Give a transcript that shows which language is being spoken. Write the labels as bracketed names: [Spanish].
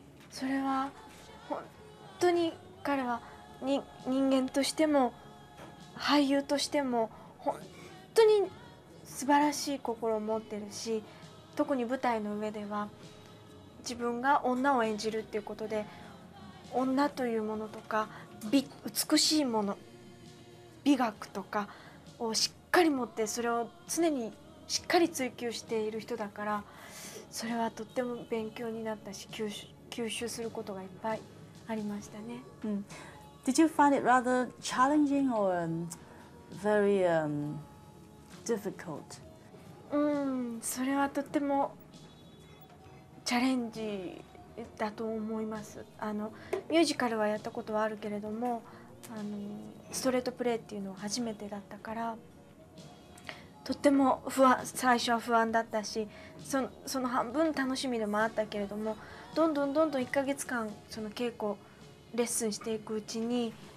[Japanese] それは本当に彼は人間としても俳優としても本当に素晴らしい心を持ってるし、特に舞台の上では自分が女を演じるっていうことで、女というものとか美しいもの、美学とかをしっかり持って、それを常にしっかり追求している人だから、それはとっても勉強になったし、吸収することがいっぱいありましたね。 [English] Did you find it rather challenging or very difficult? [Japanese] それはとってもチャレンジだと思います。ミュージカルはやったことはあるけれども、ストレートプレイっていうのは初めてだったから、とっても不安、最初は不安だったし、その半分楽しみでもあったけれども、どんどんどんどん1ヶ月間その稽古レッスンしていくうちに、